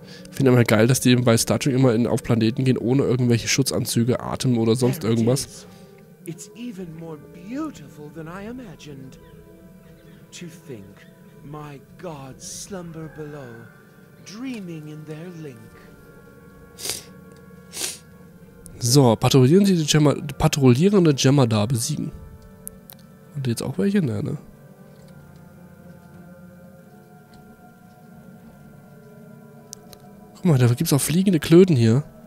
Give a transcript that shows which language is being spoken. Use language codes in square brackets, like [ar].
[de] Ich finde immer geil, dass die eben bei Star Trek immer auf Planeten gehen, ohne irgendwelche Schutzanzüge, Atem oder sonst irgendwas. [en] It's even more beautiful than I imagined. To think, my gods slumber below, dreaming in their link. [de] So, patrouillieren Sie die patrouillierende Jemadar besiegen. Und jetzt auch welche? Nein, ne? Guck mal, da gibt's auch fliegende Klöten hier.